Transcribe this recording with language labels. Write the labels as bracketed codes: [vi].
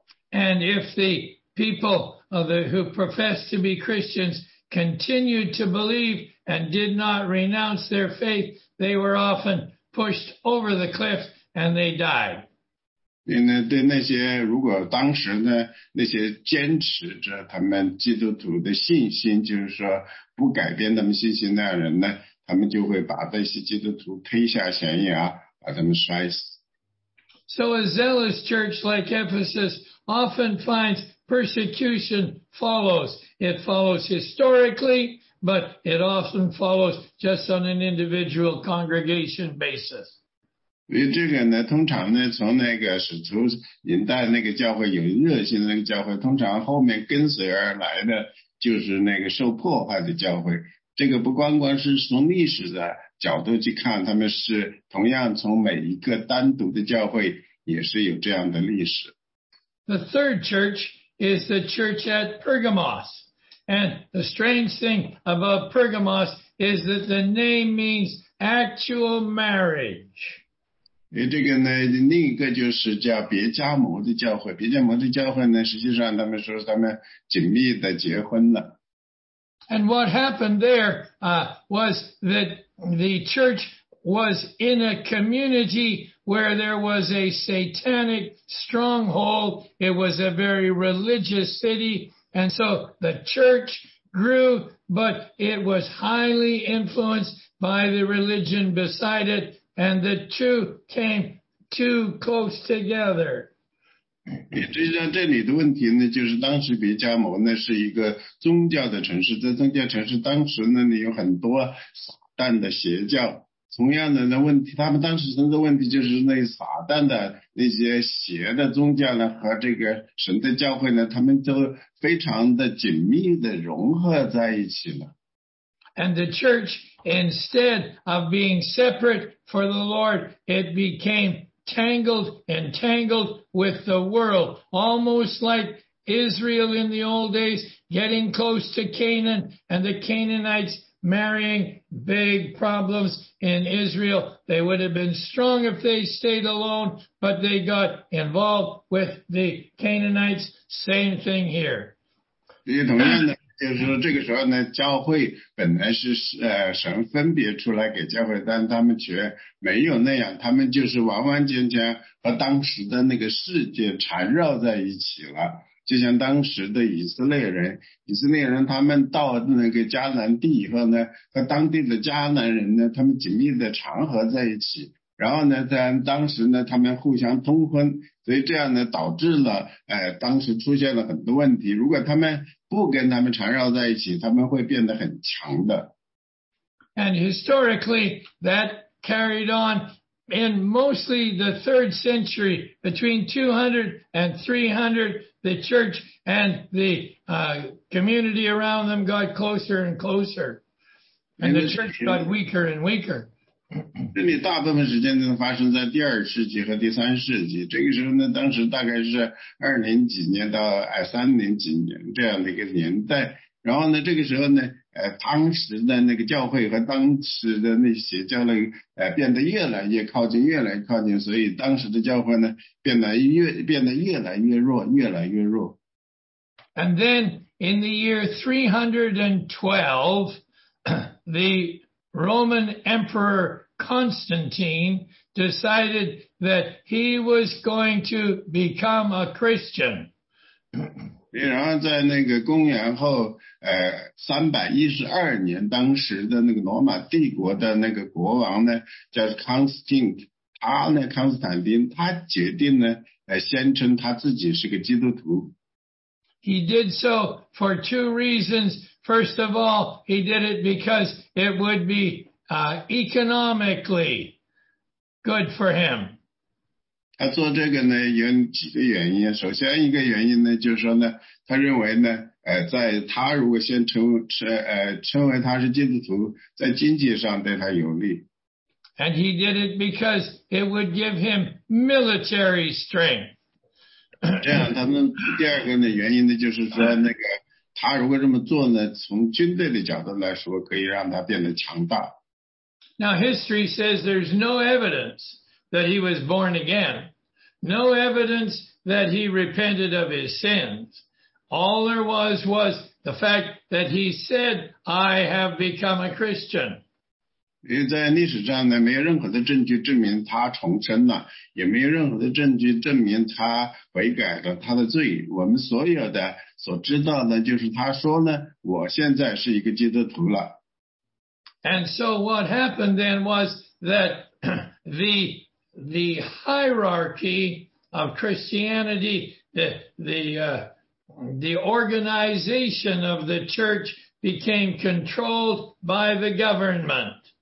[en] And if the people of the who profess to be Christians continued to believe and did not renounce their faith, they were often pushed over the cliff and they died. [zh] 对那些如果当时呢那些坚持着他们基督徒的信心，就是说不改变他们信心那样人呢，他们就会把那些基督徒推下悬崖，把他们摔死。 [en] So a zealous church like Ephesus often finds persecution follows. It follows historically, but it often follows just on an individual congregation basis. [zh] 所以这个呢，通常呢，从那个使徒年代那个教会有热心的那个教会，通常后面跟随而来的就是那个受破坏的教会。这个不光是从历史的角度去看，他们是同样从每一个单独的教会也是有这样的历史。 [en] The third church is the church at Pergamos. And the strange thing about Pergamos is that the name means actual marriage. [zh] 这个呢，另一个就是叫别加摩的教会。别加摩的教会呢，实际上他们说他们紧密的结婚了。 [en] And what happened there, was that the church was in a community where there was a satanic stronghold. It was a very religious city, and so the church grew, but it was highly influenced by the religion beside it. And the two came too close together. [zh] 实际上这里的问题呢，就是当时别加摩呢是一个宗教的城市，在宗教城市当时呢，你有很多撒旦的邪教。同样的呢，问题他们当时的问题就是那撒旦的那些邪的宗教呢和这个神的教会呢，他们都非常的紧密的融合在一起了。 [en] And the church, instead of being separate for the Lord, it became entangled with the world, almost like Israel in the old days, getting close to Canaan, and the Canaanites marrying big problems in Israel. They would have been strong if they stayed alone, but they got involved with the Canaanites. Same thing here. [zh] 也同样的就是这个时候呢，教会本来是神分别出来给教会，但他们却没有那样，他们就是完完全全和当时的那个世界缠绕在一起了。就像当时的以色列人他们到那个迦南地以后呢，和当地的迦南人呢，他们紧密的缠合在一起，然后呢在当时呢他们互相通婚，所以这样呢导致了当时出现了很多问题。如果他们不跟他们缠绕在一起，他们会变得很强的。 [en] And historically, that carried on in mostly the third century, between 200 and 300, the church and the community around them got closer and closer. And the church got weaker and weaker. [zh] 这里大部分时间都发生在第二世纪和第三世纪，这个时候呢，当时大概是20几年到30几年这样的一个年代。然后呢，这个时候呢，当时的那个教会和当时的那些教会，变得越来越靠近，越来越靠近，所以当时的教会呢，变得越来越弱，越来越弱。 [en] And then in the year 312, the Roman Emperor Constantine decided that he was going to become a Christian. [zh] 然后在那个公元后312年，当时的那个罗马帝国的那个国王呢叫康斯坦丁，他呢康斯坦丁他决定呢宣称他自己是个基督徒。 [en] He did so for two reasons. First of all, he did it because it would be economically good for him. [zh] 他做这个呢有几个原因。首先一个原因呢就是说呢，他认为呢在他如果先称为他是基督徒，在经济上对他有利。 [en] And he did it because it would give him military strength. [zh] 这样他们第二个呢原因呢就是说那个他如果这么做呢，从军队的角度来说可以让他变得强大。 [en] Now history says there's no evidence that he was born again. No evidence that he repented of his sins. All there was the fact that he said, I have become a Christian. [zh] 因为在历史上呢，没有任何的证据证明他重生了，也没有任何的证据证明他悔改了他的罪。我们所有的所知道的就是他说呢，我现在是一个基督徒了。 [en] And so what happened then was that the hierarchy of Christianity, the organization of the church became controlled by the government.